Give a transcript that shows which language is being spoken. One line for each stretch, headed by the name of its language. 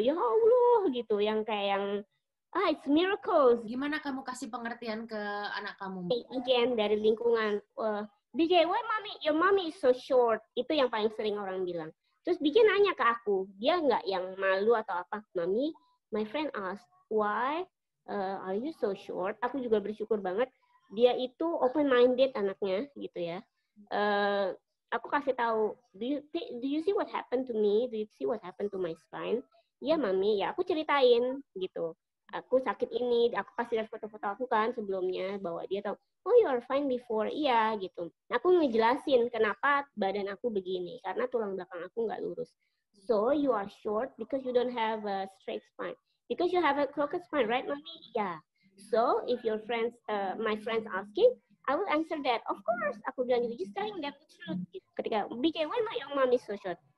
Indonesian: Ya Allah, gitu. Yang
English: it's miracles.
Indonesian: Gimana kamu kasih pengertian ke anak kamu?
English: Again,
Indonesian: dari lingkungan.
English: BJ, why mommy? Your mommy is so short.
Indonesian: Itu yang paling sering orang bilang. Terus BJ nanya ke aku, dia nggak yang malu atau apa.
English: Mami, my friend asked, why are you so short?
Indonesian: Aku juga bersyukur banget. Dia itu open-minded anaknya, gitu ya. Aku kasih tahu,
English: do you see what happened to me? Do you see what happened to my spine?
Indonesian: Ya, mami. Ya, aku ceritain, gitu. aku sakit ini, aku kasih lihat foto-foto aku kan sebelumnya, bahwa dia tahu,
English: oh you are fine before,
Indonesian: iya gitu. Aku ngejelasin kenapa badan aku begini, karena tulang belakang aku nggak lurus.
English: So you are short because you don't have a straight spine. Because you have a crooked spine, right mommy? Yeah. So if your friends, my friends asking, I will answer that. Of course,
Indonesian: aku bilang gitu,
English: just telling them the truth.
Indonesian: Ketika,
English: BK, why my young mommy so short?